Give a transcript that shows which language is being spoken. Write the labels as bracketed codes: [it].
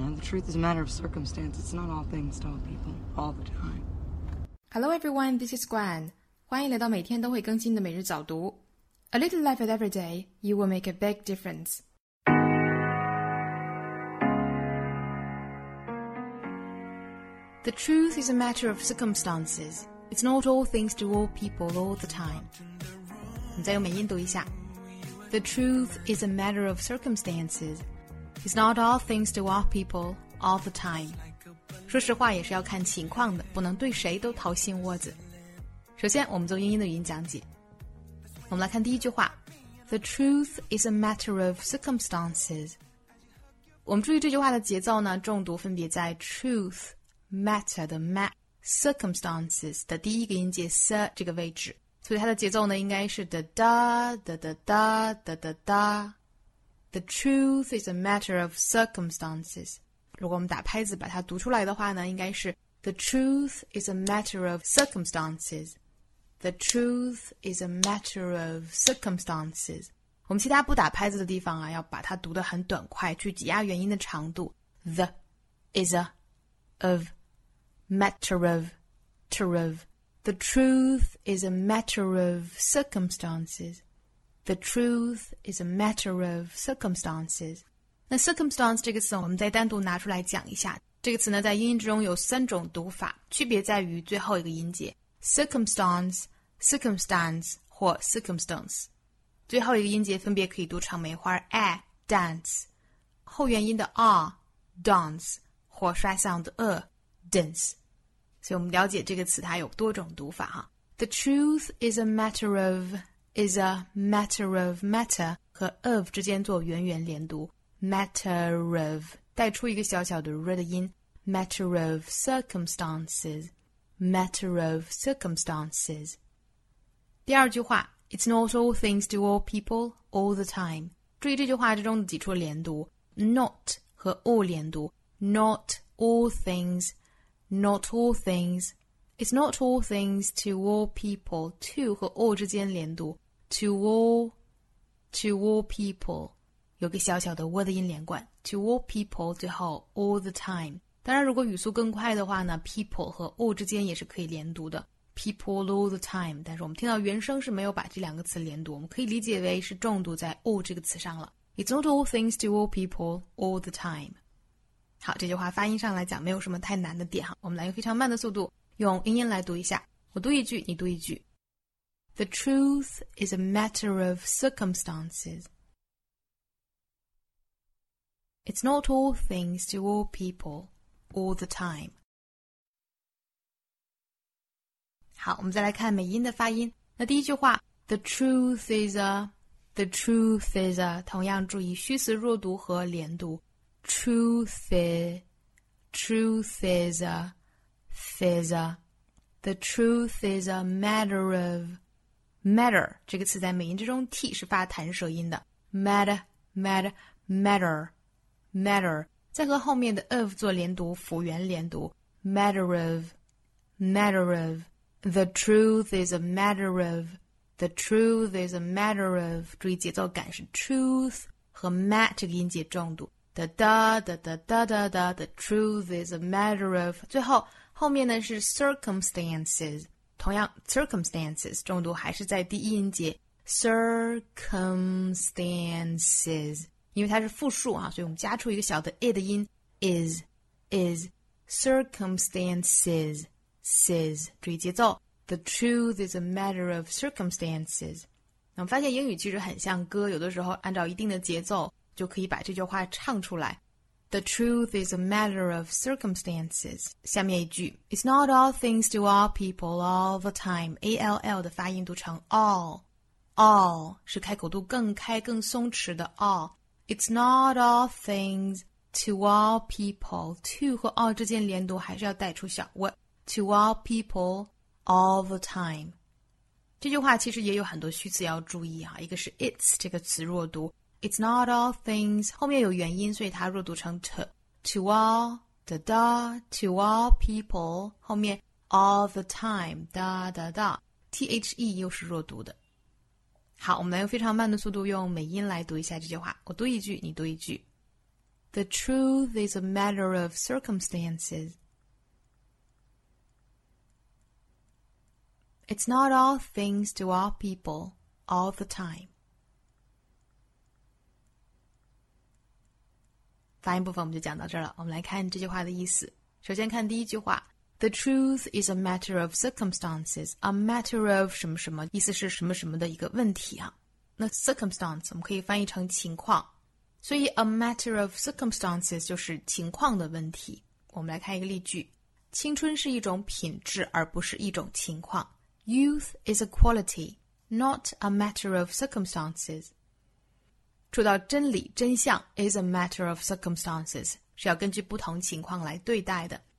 [en] truth is a matter of circumstance. It's not all things to all people, all the time. Hello everyone, this is Gwen. [zh] 欢迎来到每天都会更新的每日早读。 [en] A little life at every day, you will make a big difference. The truth is a matter of circumstances. It's not all things to all people all the time. [zh] 你再用美音读一下。 [en] The truth is a matter of circumstances. It's not all things to all people all the time. [zh] 说实话也是要看情况的，不能对谁都掏心窝子。首先我们做英音的语音讲解。我们来看第一句话 [en] The truth is a matter of circumstances. [zh] 我们注意这句话的节奏呢，重读分别在 truth, matter 的 ma, circumstances 的第一个音节 s 这个位置。所以它的节奏呢应该是 da da da da da da da da. [en] The truth is a matter of circumstances. [zh] 如果我们打拍子把它读出来的话呢，应该是 [en] The truth is a matter of circumstances. The truth is a matter of circumstances. [zh] 我们其他不打拍子的地方啊，要把它读得很短快，去挤压元音的长度。 [en] The is a of matter of ter of. The truth is a matter of circumstances. The truth is a matter of circumstances. [zh] 那 circumstance 这个词，我们再单独拿出来讲一下。这个词呢，在英音之中有三种读法，区别在于最后一个音节。 [en] Circumstance, circumstance, [zh] 或 [en] circumstance. [zh] 最后一个音节分别可以读成梅花 a, dance. 后元音的 a, dance, 或刷嗓的 a, dance. 所以我们了解这个词它有多种读法哈。 [en] The truth is a matter of, is a matter of matter, [zh] 和 of 之间做圆圆连读。 [en] Matter of, [zh] 带出一个小小的 r 的音。 [en] Matter of circumstances. Matter of circumstances. [zh] 第二句话 [en] It's not all things to all people all the time. [zh] 注意这句话之中的几处连读 Not 和 all 连读 [en] Not all things Not all things It's not all things to all people To [zh] 和 all 之间连读 [en] To all To all people [zh] 有个小小的 word 的音连贯 [en] To all people [zh] 最后 [en] all the time [zh] 当然如果语速更快的话呢 people 和 all 之间也是可以连读的 [en] people all the time [zh] 但是我们听到原声是没有把这两个词连读我们可以理解为是重读在 all 这个词上了 [en] It's not all things to all people all the time [zh] 好这句话发音上来讲没有什么太难的点我们来用非常慢的速度用英音来读一下我读一句你读一句 [en] The truth is a matter of circumstancesIt's not all things to all peopleAll the time. [zh] 好，我们再来看美音的发音。那第一句话 [en] ，The truth is a, the truth is a， [zh] 同样注意虚词弱读和连读。 [en] Truth is, truth is a, is a. The truth is a matter of, [zh] matter 这个词在美音之中 ，t 是发弹舌音的。 [en] Matter, matter, matter, matter. [zh] 再和后面的 of 做连读辅元连读 [en] matter of matter of the truth is a matter of the truth is a matter of [zh] 注意节奏感是 truth 和 mat 这个音节重读 [en] da da da da da da da the truth is a matter of [zh] 最后后面呢是 circumstances 同样 circumstances 重读还是在第一音节 [en] circumstances [zh] 因为它是复数啊，所以我们加出一个小的 i 的音 is [en] is circumstances [zh] is 注意节奏 [en] the truth is a matter of circumstances [zh] 我们发现英语其实很像歌有的时候按照一定的节奏就可以把这句话唱出来 [en] the truth is a matter of circumstances [zh] 下面一句 [en] it's not all things to all people all the time [zh] all 的发音读成 all [en] all [zh] 是开口度更开更松弛的 all [en] It's not all things to all people. [zh] To 和 all 之间连读还是要带出小 w [en] To all people all the time. [zh] 这句话其实也有很多虚词要注意啊。一个是 it's 这个词弱读 [en] It's not all things [zh] 后面有元音所以它弱读成 t. [en] To all, da da, to all people [zh] 后面 [en] all the time, da da da [zh] THE 又是弱读的好我们来用非常慢的速度用美音来读一下这句话我读一句你读一句 [en] The truth is a matter of circumstances. It's not all things to all people all the time. [zh] 发音部分我们就讲到这儿了，我们来看这句话的意思。首先看第一句话， [en] The truth is a matter of circumstances. A matter of [zh] 什么什么，意思是什么什么的一个问题啊。那 circumstance 我们可以翻译成情况，所以 [en] a matter of circumstances [zh] 就是情况的问题。我们来看一个例句，青春是一种品质而不是一种情况。 [en] Youth is a quality, not a matter of circumstances. [zh] 说到真理真相 [en] is a matter of circumstances [zh] 是要根据不同情况来对待的。